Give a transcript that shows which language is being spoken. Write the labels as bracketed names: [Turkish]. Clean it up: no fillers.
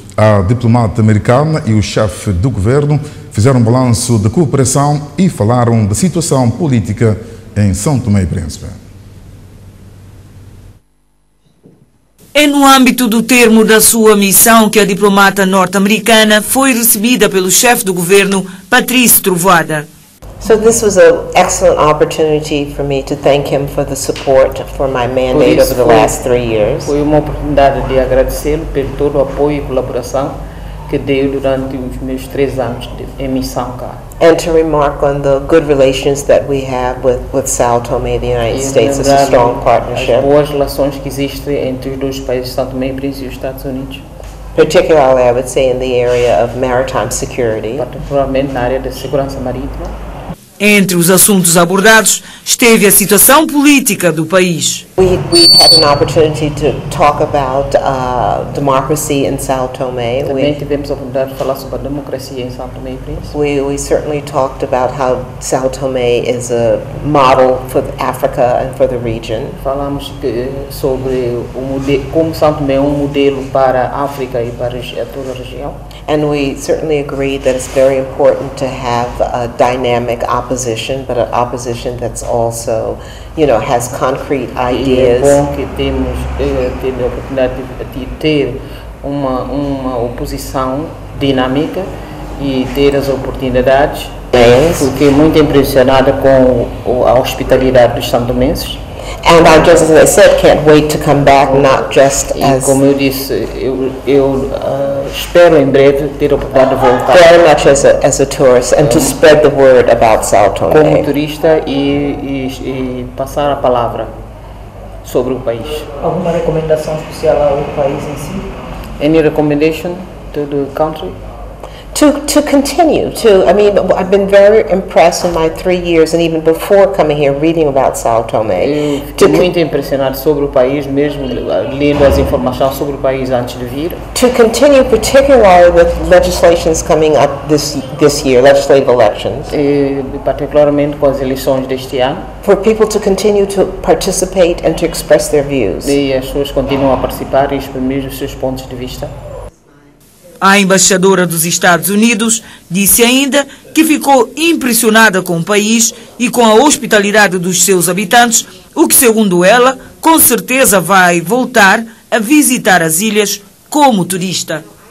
[Portuguese] A diplomata americana e o chefe do governo fizeram um balanço de cooperação e falaram da situação política em São Tomé e Príncipe. É no âmbito do termo da sua missão que a diplomata norte-americana foi recebida pelo chefe do governo, Patrice Trovoada. [English] So this was an excellent opportunity for me to thank him for the support for my mandate over the last 3 years. [Portuguese] Foi uma oportunidade de agradecê-lo pelo todo o apoio e colaboração que deu durante os meus 3 anos de missão cá. [English] And to remark on the good relations that we have with São Tomé, the United States, is a strong partnership. [Portuguese] As boas relações que existem entre os dois países, São Tomé e Príncipe, e os Estados Unidos. [English] Particularly, I would say, in the area of maritime security. [Portuguese] Particularmente na área de segurança marítima. Entre os assuntos abordados, esteve a situação política do país. [English] We had an opportunity to talk about democracy in São Tomé. [Portuguese] Também tivemos a oportunidade de falar sobre a democracia em São Tomé e Príncipe. [English] We certainly talked about how São Tomé is a model for Africa and for the region. [Portuguese] Falamos sobre como São Tomé é um modelo para a África e para toda a região. [English] And we certainly agree that it's very important to have a dynamic opposition, but an opposition that's also, you know, has concrete ideas. [Portuguese] É bom que temos a oportunidade de ter uma oposição dinâmica e ter as oportunidades. Fiquei muito impressionada com a hospitalidade dos santomenses. [English] And I just, as I said, can't wait to come back, not just as... [Portuguese] E como eu disse, eu espero em breve ter a oportunidade de voltar. [English] Very much as a tourist and to spread the word about São Tomé. [Portuguese] Como turista e passar a palavra sobre o país. Alguma recomendação especial ao país em si? [English] Any recommendation to the country? To continue, I've been very impressed in my 3 years and even before coming here reading about São Tomé. [Portuguese] Muito impressionado sobre o país, mesmo lendo as informações sobre o país antes de vir. [English] To continue, particularly with legislations coming up this year, legislative elections. [Portuguese] E particularmente com as eleições deste ano. [English] For people to continue to participate and to express their views. [Portuguese] E as pessoas continuam a participar e exprimir os seus pontos de vista. A embaixadora dos Estados Unidos disse ainda que ficou impressionada com o país e com a hospitalidade dos seus habitantes, o que, segundo ela, com certeza vai voltar a visitar as ilhas como turista.